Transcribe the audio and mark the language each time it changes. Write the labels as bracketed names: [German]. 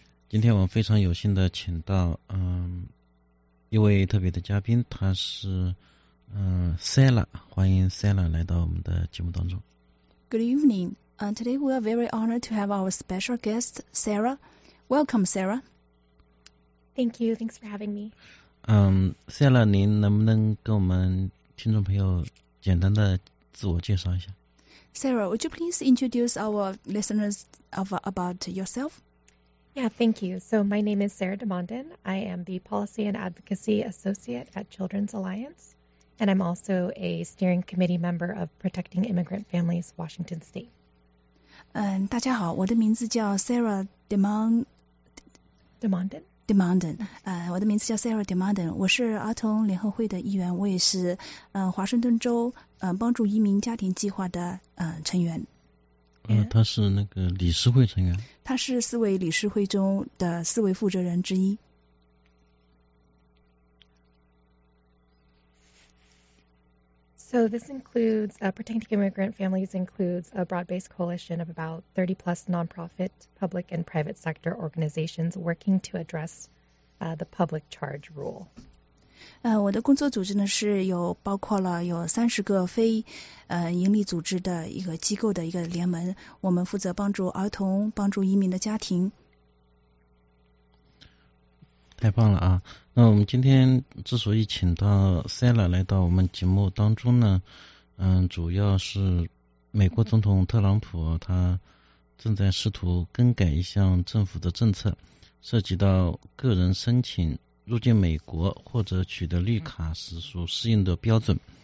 [Chinese] 今天我们非常有幸的请到一位特别的嘉宾，他是Sella， 欢迎 Sella 来到我们的节目当中。 [English] Good evening. Today we are very honored to have our special guest Sarah. Welcome, Sarah. Thank you. Thanks for having me. [Chinese] Sella， 您能不能跟我们听众朋友简单的自我介绍一下 [English] ？Sarah, would you please introduce our listeners about yourself? Yeah, thank you. So my name is Sarah DeMondin. I am the Policy and Advocacy Associate at Children's Alliance. And I'm also a steering committee member of Protecting Immigrant Families, Washington State. [Chinese] 大家好，我的名字叫 Sarah DeMondin. DeMondin. 我的名字叫 Sarah DeMondin. 我是儿童联合会的一员，我也是华盛顿州帮助移民家庭计划的成员。他是那个理事会成员。他是四位理事会中的四位负责人之一。 [English] So this includes, Protecting Immigrant Families includes a broad-based coalition of about 30-plus nonprofit, public, and private sector organizations working to address, the public charge rule. [Chinese] 我的工作组织呢是有包括了有30个非盈利组织的一个机构的一个联盟，我们负责帮助儿童，帮助移民的家庭。太棒了啊！那我们今天之所以请到 Sella 来到我们节目当中呢，主要是美国总统特朗普他正在试图更改一项政府的政策，涉及到个人申请入境美国或者取得绿卡时所适应的标准。